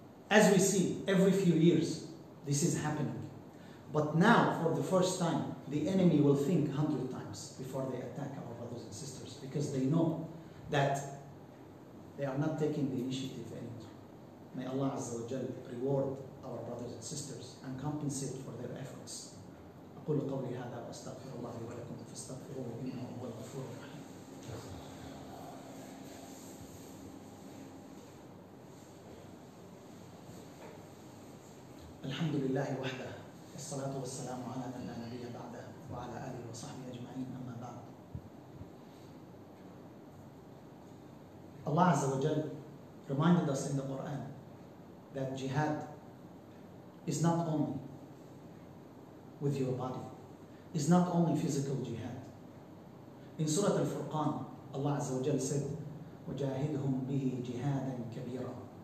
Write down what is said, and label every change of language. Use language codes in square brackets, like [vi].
[en] As we see, every few years, this is happening. But now, for the first time, the enemy will think 100 times before they attack our brothers and sisters, because they know that they are not taking the initiative anymore. May Allah Azza wa Jal reward our brothers and sisters and compensate for their efforts. [ar] أقول قولي هذا وأستغفر الله لي ولكم فاستغفروه إنه هو الغفور الرحيم. الحمد لله وحده، الصلاة والسلام على من لا نبي بعده وعلى آله وصحبه أجمعين، أما بعد. [en] الله عز وجل reminded us in the Quran that jihad is not only with your body, is not only physical jihad. In Surah Al-Furqan, Allah Azza wa Jal said, [ar] وَجَاهِدْهُمْ بِهِ جِهَادًا كَبِيرًا.